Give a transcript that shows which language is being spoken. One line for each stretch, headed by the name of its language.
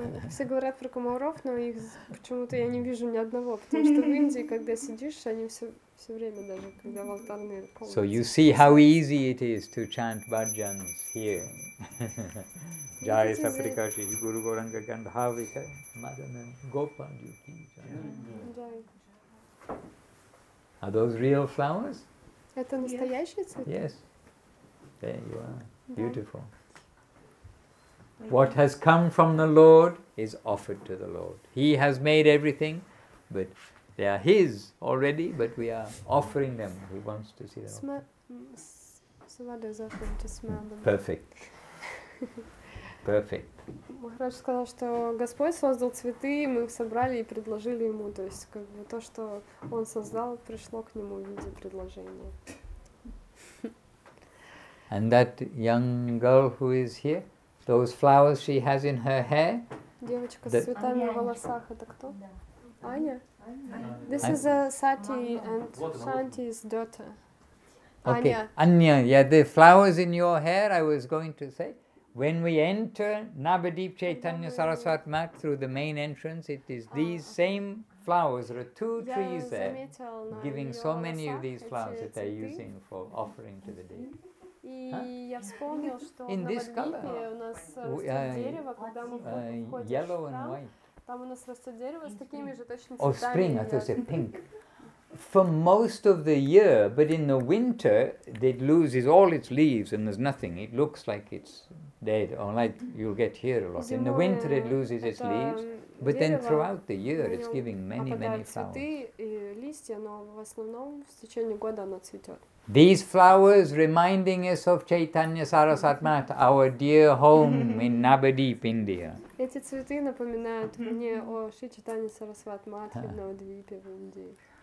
Russian: Все говорят про комаров, но их почему-то я не вижу ни одного, потому что в Индии, когда сидишь, они все время даже, когда в алтарной комнате.
English: So you see how easy it is to chant bhajans here. Jai Saprikashi, Guru Goranga Gandhavika, Madana, Gopal Duki. Are those real flowers?
Russian: Это настоящие цветы?
English: Yes. There you are. Beautiful. What has come from the Lord is offered to the Lord. He has made everything, but they are His already, but we are offering them. He wants to see them. Somebody is offering to smell them. Perfect. Perfect.
Russian: Махарадж сказал, что Господь создал цветы, и мы их собрали и предложили Ему. То есть, как бы то, что Он создал, пришло к Нему в виде предложения.
English: And that young girl who is here, those flowers she has in her hair.
Russian: Девочка с цветами в волосах, это кто?
English: Аня. This is Sati and Shanti's daughter. Okay. Anya, yeah, the flowers in your hair, I was going to say. When we enter Navadeep Chaitanya Sarasvat Math through the main entrance, it is these same flowers. There are two trees there giving so many of these flowers that they're using for offering to the deity.
Russian: И я вспомнил, что in на Бальдипе у нас растет дерево, когда мы выходим в храм, там у нас растет дерево с такими же точно цветами.
English: Oh, spring, I thought it was pink. For most of the year, but in the winter, it loses all its leaves and there's nothing. It looks like it's dead, or like you'll get here a lot. In the winter, it loses its leaves, but then throughout the year, it's giving many, many flowers.
Russian: Цветы и листья, но в основном в течение года оно цветет.
English: These flowers reminding us of Chaitanya Sarasatmat, our dear home in Navadvip, India.
Russian: Эти цветы напоминают мне о Шри Чайтанья Сарасватмат в Навадвипе в Индии.